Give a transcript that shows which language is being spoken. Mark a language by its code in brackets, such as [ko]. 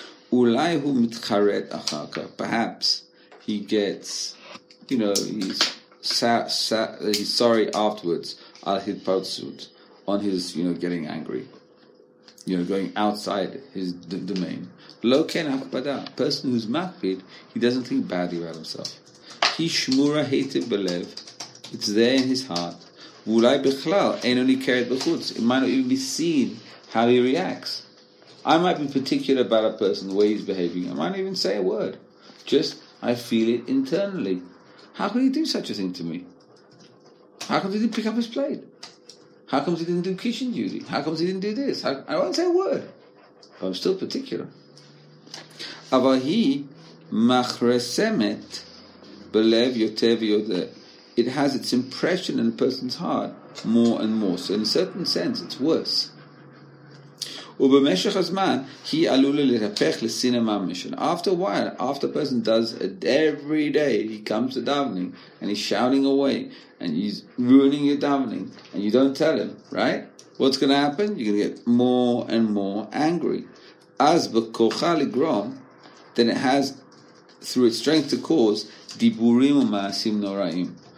[he] Ulai hu mitcharet achaka. [en] Perhaps he gets, you know, he's sorry afterwards, [he] al hitpartzut, [en] on his, you know, getting angry, you know, going outside his domain. [he] Lo ken hakpada, [en] person who's makpid, he doesn't think badly about himself. [he] Ki shmura hetiv belev, [en] it's there in his heart. [he] ואולי בכלל אינו ניכרת בחוץ. [en] It might not even be seen how he reacts. I might be particular about a person, the way he's behaving. I might not even say a word. Just, I feel it internally. How could he do such a thing to me? How come he didn't pick up his plate? How come he didn't do kitchen duty? How come he didn't do this? I won't say a word. But I'm still particular. [he] אבל היא מחרסמת בלב יותר ויותר. [en] It has its impression in a person's heart more and more. So in a certain sense, it's worse. [he] ובמשך הזמן, היא עלולה להפך לסינה ממש. [en] After a while, after a person does it every day, he comes to davening, and he's shouting away, and he's ruining your davening, and you don't tell him, right? What's going to happen? You're going to get more and more angry. [he] אז בכוחה לגרום, [en] then it has, through its strength to cause, [he] דיבורים ומעשים נוראים.